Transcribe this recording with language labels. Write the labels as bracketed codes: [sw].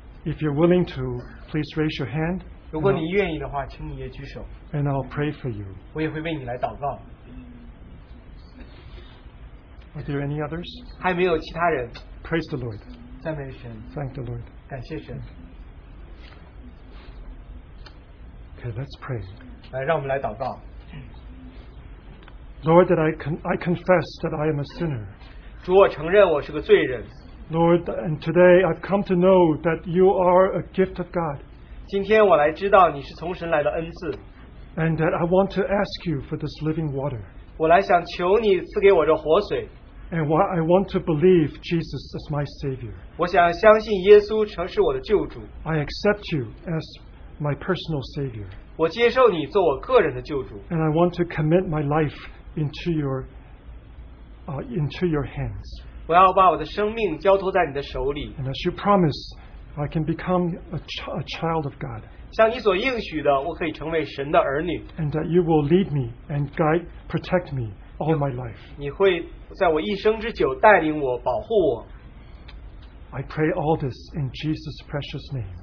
[en] If you're willing to, please raise your hand. [zh] 如果你愿意的话，请你也举手。 [en] And I'll pray for you. [zh] 我也会为你来祷告。 [en] Are there any others? [zh] 还没有其他人。 [en] Praise the Lord. [zh] 赞美神。 [en] Thank the Lord. [zh] 感谢神。 [en] Okay, let's pray. [zh] 来，让我们来祷告。 [en] Lord, that I confess that I am a sinner. [zh] 主，我承认我是个罪人。 [en] Lord, and today I've come to know that you are a gift of God. [zh] 今天我来知道你是从神来的恩赐。 [en] And that I want to ask you for this living water. [zh] 我来想求你赐给我这活水。 [en] And why I want to believe Jesus as my Savior. [zh] 我想相信耶稣成是我的救主。 [en] I accept you as my personal Savior. [zh] 我接受你做我个人的救主。 [en] And I want to commit my life into your hands. [zh] 我要把我的生命交托在你的手里。 [en] And as you promise, I can become a child of God. [zh] 像你所应许的，我可以成为神的儿女。 [en] And that you will lead me and guide, protect me all my life. [zh] 你会在我一生之久带领我，保护我。 [en] I pray all this in Jesus' precious name.